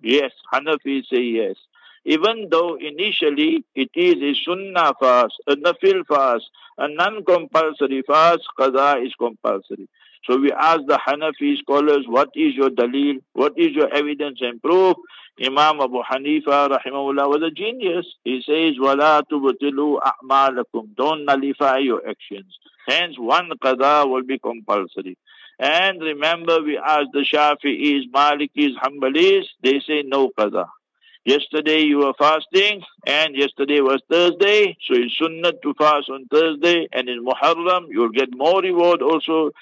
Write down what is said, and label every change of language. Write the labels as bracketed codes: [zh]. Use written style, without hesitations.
[en] Yes, Hanafis say yes. Even though initially it is a sunnah fast, a nafil fast, a non-compulsory fast, qaza is compulsory. So we ask the Hanafi scholars, what is your dalil? What is your evidence and proof? Imam Abu Hanifa, rahimahullah, was a genius. He says, [ar] وَلَا تُبْتِلُوا أَعْمَالَكُمْ. [en] Don't nullify your actions. Hence, one qaza will be compulsory. And remember, we ask the Shafi'is, Malikis, Hanbalis, they say no qaza. Yesterday you were fasting, and yesterday was Thursday, so it's sunnah to fast on Thursday, and in Muharram, you'll get more reward also.